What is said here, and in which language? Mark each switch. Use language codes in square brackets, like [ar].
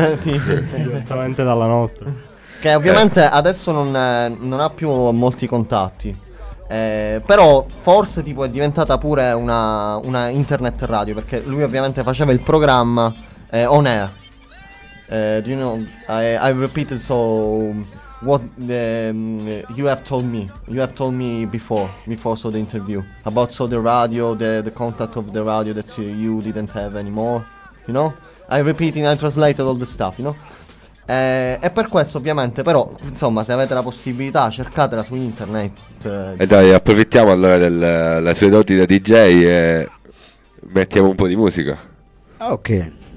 [it] Sì. Direttamente dalla nostra. Che ovviamente adesso non ha più molti contatti. Però forse tipo è diventata pure una internet radio, perché lui ovviamente faceva il programma on air. [en] Do you know, I repeated so what you have told me before so the interview about so the radio, the contact of the radio that you didn't have anymore, you know, I repeating, I translated all the stuff, you know. [it] E per questo ovviamente, però insomma, se avete la possibilità cercatela su internet, e dai, approfittiamo allora delle sue doti da DJ e mettiamo un po' di musica. Ok.